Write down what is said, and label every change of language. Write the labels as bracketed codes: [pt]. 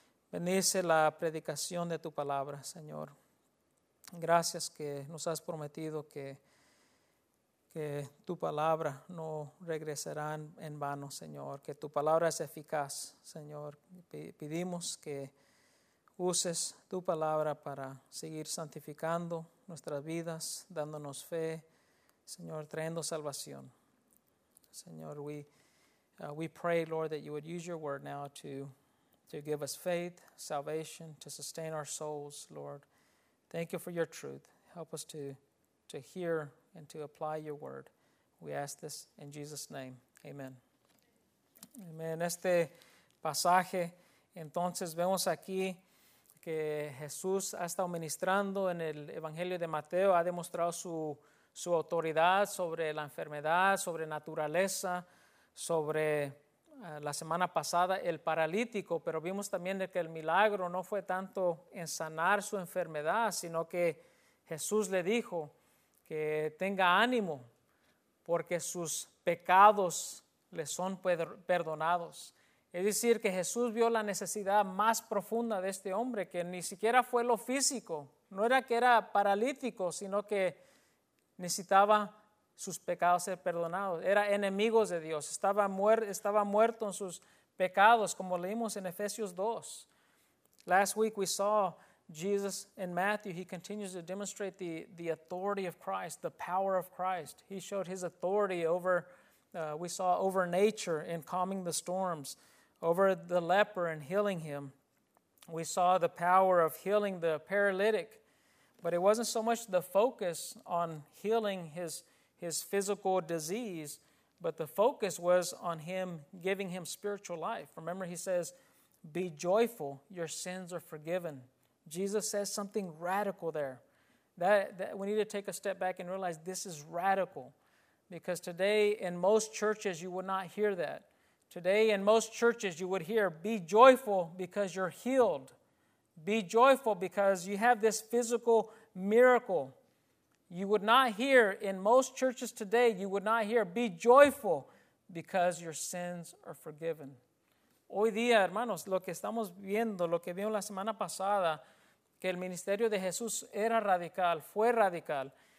[es] Bendice la predicación de tu palabra, Señor. Gracias que nos has prometido que tu palabra no regresará en vano, Señor. Que tu palabra es eficaz, Señor. Pedimos que uses tu palabra para seguir santificando nuestras vidas, dándonos fe, Señor, trayendo salvación. [en] Señor, we pray, Lord, that you would use your word now to give us faith, salvation, to sustain our souls, Lord. Thank you for your truth. Help us to hear and to apply your word. We ask this in Jesus' name. Amen. Amen. [es] Este pasaje, entonces vemos aquí que Jesús ha estado ministrando en el Evangelio de Mateo, ha demostrado su autoridad sobre la enfermedad, sobre naturaleza, sobre la semana pasada el paralítico, pero vimos también de que el milagro no fue tanto en sanar su enfermedad, sino que Jesús le dijo que tenga ánimo, porque sus pecados le son perdonados. Es decir, que Jesús vio la necesidad más profunda de este hombre, que ni siquiera fue lo físico. No era que era paralítico, sino que necesitaba sus pecados ser perdonados. Era enemigo de Dios, estaba muerto en sus pecados, como leímos en Efesios 2. [en] Last week we saw Jesus in Matthew. He continues to demonstrate the authority of Christ, the power of Christ. He showed his authority over, we saw over nature in calming the storms, over the leper and healing him. We saw the power of healing the paralytic. But it wasn't so much the focus on healing his physical disease, but the focus was on him giving him spiritual life. Remember, he says, be joyful, your sins are forgiven. Jesus says something radical there. That we need to take a step back and realize this is radical. Because today in most churches, you would not hear that. Today in most churches, you would hear, be joyful because you're healed. Be joyful because you have this physical miracle. You would not hear in most churches today, you would not hear, be joyful because your sins are forgiven. [es] Hoy día, hermanos, lo que estamos viendo, lo que vimos la semana pasada, que el ministerio de Jesús era radical, fue radical.